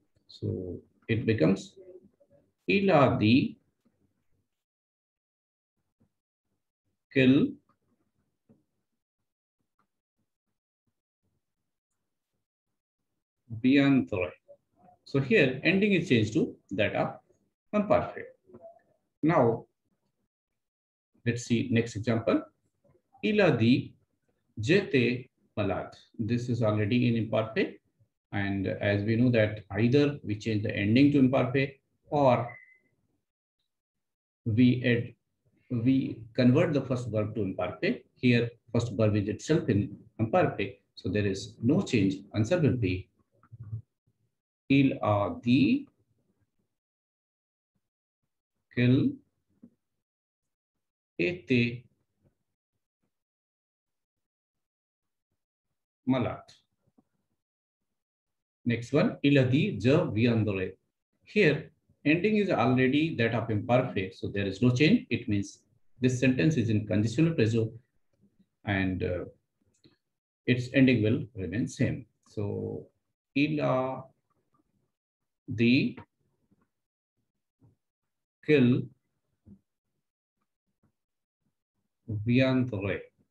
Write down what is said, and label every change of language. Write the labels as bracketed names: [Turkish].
[English] So it becomes [French] il a dit qu'il viendrait. [English] So here ending is changed to that of imparfait. Now let's see next example. [French] Il a dit j'étais malade. [English] This is already in imparfait, and as we know that either we change the ending to imparfait or we convert the first verb to imparfait. Here first verb is itself in imparfait, so there is no change. Answer will be [French] il a dit qu'il était malade. [English] Next one, [French] il a dit je viendrai. [English] Here ending is already that of imparfait, so there is no change. It means this sentence is in conditional present and its ending will remain same. [French] So il a dit qu'il viendrait.